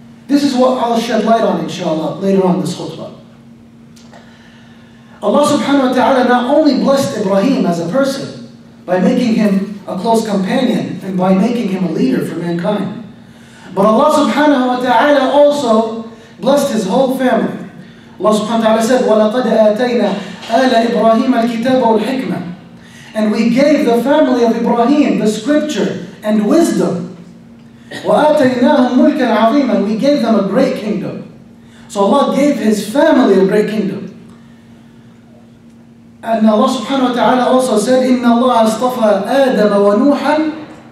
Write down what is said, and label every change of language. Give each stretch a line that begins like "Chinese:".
English: This is what I'll shed light on, inshallah, later on this khutbah. Allah subhanahu wa ta'ala not only blessed Ibrahim as a person by making him a close companion and by making him a leader for mankind, but Allah subhanahu wa ta'ala also blessed his whole family. Allah subhanahu wa ta'ala said,
Arabic: وَلَقَدْ آتَيْنَا آلَ إِبْرَاهِيمَ الْكِتَابَ وَالْحِكْمَةَ.
English: And we gave the family of Ibrahim the scripture and wisdom.
Arabic: وَآتَيْنَاهُمْ مُلْكًا عَظِيمًا.
English: We gave them a great kingdom. So Allah gave his family a great kingdom. And Allah subhanahu wa ta'ala also said,
Arabic: إِنَّ اللَّهَ اصْطَفَى آدَمَ وَنُوحًا.